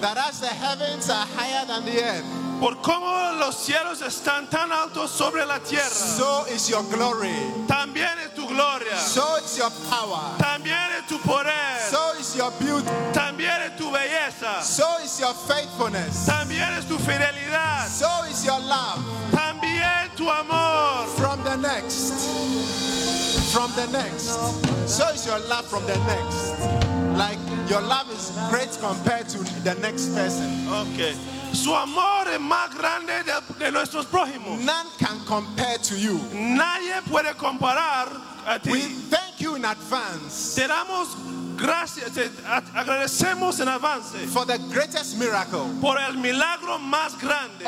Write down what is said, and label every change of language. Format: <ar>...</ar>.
<en>That as the heavens are higher than the earth.</en> <es>Por cómo los cielos están tan altos sobre la tierra.</es> <en>So is your glory.</en> <es>También es tu gloria.</es> <en>So is your power.</en> <es>También es tu poder.</es> <en>So is your beauty.</en> <es>También es tu belleza.</es> <en>So is your faithfulness.</en> <es>También es tu fidelidad.</es> <en>So is your love.</en> <es>También tu amor.</es> <en>From the next. From the next. So is your love from the next. Like your love is great compared to the next person. Okay.</en> <es>Su amor es más grande de nuestros prójimos.</es> <en>None can compare to you.</en> <es>Nadie puede comparar a ti.</es> <en>We thank you in advance.</en> <es>Te damos gracias, agradecemos en avance.</es> <en>For the greatest miracle.</en> <es>Por el milagro más grande.</es>